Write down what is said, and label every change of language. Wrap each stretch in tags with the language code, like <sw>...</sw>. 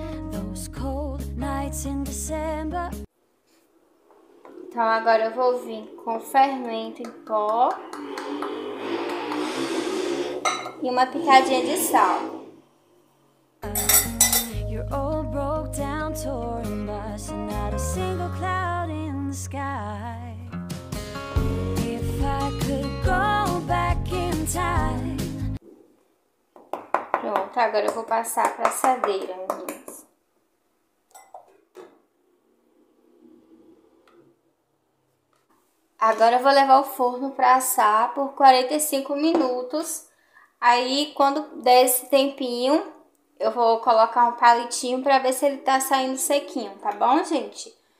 <en>Those cold nights in December.</en> <pt>Então agora eu vou vir com fermento em pó. E uma pitadinha de sal.</pt> <en>You're all broke down, torn bus, not a single cloud in the sky. If I could go back in time.</en> <pt>Pronto, agora eu vou passar pra assadeira, meninas. Agora eu vou levar o forno pra assar por 45 minutos. Aí, quando der esse tempinho, eu vou colocar um palitinho pra ver se ele tá saindo sequinho, tá bom, gente?</pt>